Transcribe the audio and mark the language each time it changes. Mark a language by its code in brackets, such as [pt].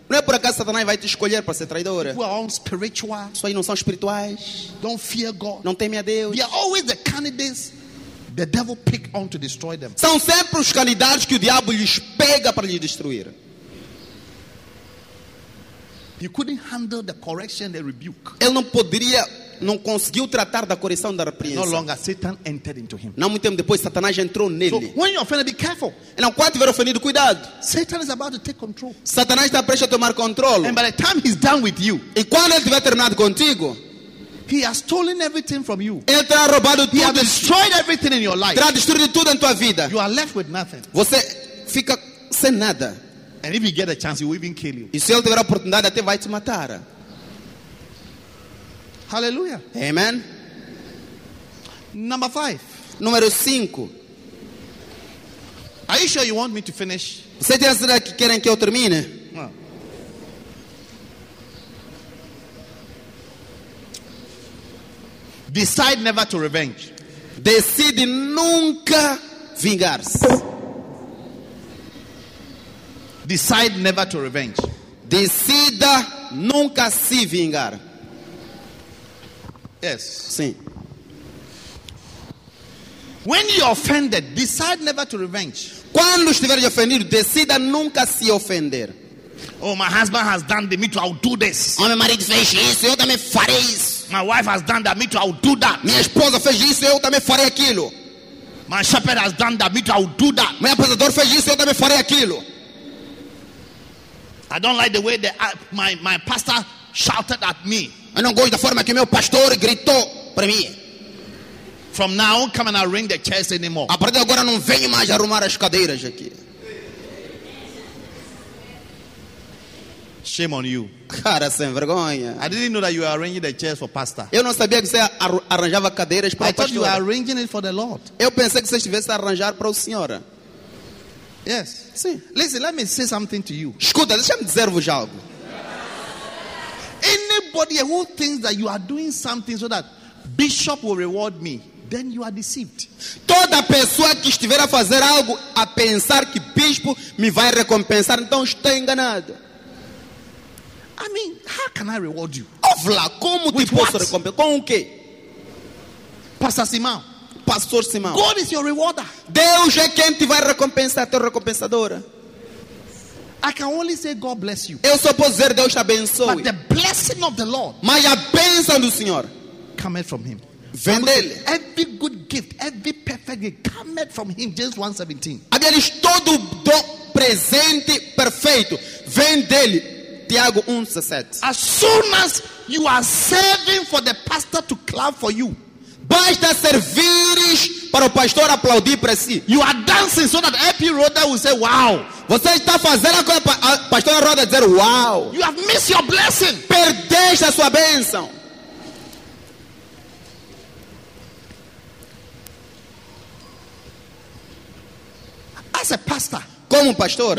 [pt] Não é por acaso Satanás vai te escolher para ser traidor. [en] People are unspiritual. [pt] Só aí não são espirituais. [en] Don't fear God. [pt] Não teme a Deus. [en] They are always the candidates the devil pick on to destroy them. [pt] São sempre os candidatos que o diabo lhes pega para lhes destruir. [en] He couldn't handle the correction, the rebuke. [pt] Ele não conseguiu tratar da correção da repreensão. [en] No longer Satan entered into him. [pt] Não muito tempo depois Satanás entrou nele. [en] So when you're offended, be careful. [pt] Então quando estiver ofendido, cuidado. [en] Satan is about to take control. [pt] Satanás está prestes a tomar controle. [en] And by the time he's done with you, [pt] e quando ele estiver terminado contigo, [en] he has stolen everything from you. [pt] Ele terá roubado tudo. [en] He has destroyed everything in your life. [pt] Terá destruído tudo em tua vida. [en] You are left with nothing. [pt] Você fica sem nada. [en] And if you get a chance, he will even kill you. [pt] E se ele tiver a oportunidade, até vai te matar. [en] Hallelujah. [pt] Amen. [en] Number 5. [pt] Número 5. [en] Are you sure you want me to finish? [pt] Você tem certeza que querem que eu termine? [en] Decide never to revenge. [pt] Decide nunca vingar-se. [en] Decide never to revenge. [pt] Decida nunca se vingar. [en] Yes. [pt] Sim. [en] When you're offended, decide never to revenge. [pt] Quando estiver ofendido, decida nunca se ofender. [en] Oh, my husband has done the me too, I'll do this. [pt] Oh, meu marido fez isso, eu também farei isso. [en] My wife has done that me too, I'll do that. [pt] Minha esposa fez isso, eu também farei aquilo. [en] My shepherd has done that me too, I'll do that. [pt] Meu pastor fez isso, eu também farei aquilo. [en] I don't like the way my pastor shouted at me. [pt] Eu não gosto da forma que meu pastor gritou para mim. [en] From now on, come and I ring the chairs anymore. [pt] A partir de agora não venho mais arrumar as cadeiras aqui. [en] Shame on you. [pt] Cara, sem vergonha. [en] I didn't know that you were arranging the chairs for pastor. [pt] Eu não sabia que você arranjava cadeiras para o pastor. [en] I thought you were arranging it for the Lord. [pt] Eu pensei que você estivesse a arranjar para o Senhor. [en] Yes. [pt] Sim. [en] Listen, let me say something to you. [pt] Escuta, deixa-me dizer-vos algo. [en] Anybody who thinks that you are doing something so that Bishop will reward me, then you are deceived. [pt] Toda pessoa que estiver a fazer algo a pensar que Bispo me vai recompensar, então está enganado. [en] I mean, how can I reward you? Of lá, como with [pt] te posso recompensar? Com o quê? Pastor Simão. Pastor Simão. [en] God is your rewarder. [pt] Deus é quem te vai recompensar, teu recompensador. [en] I can only say God bless you. [pt] Eu só posso dizer Deus te abençoe. [en] But the blessing of the Lord. [pt] Mas a bênção do Senhor. [en] Cometh from him. [pt] Vem dele. [en] Every good gift, every perfect gift cometh from him. James 1:17. [pt] Aliás, todo dom presente perfeito vem dele. Tiago 1:17. [en] As soon as you are serving for the pastor to clap for you. [pt] Basta servires para o pastor aplaudir para si. [en] You are dancing so that Happy Roda will say, wow. [pt] Você está fazendo a coisa para o pastor Roda dizer, wow. [en] You have missed your blessing. [pt] Perdeste a sua bênção. [en] As a pastor. [pt] Como pastor.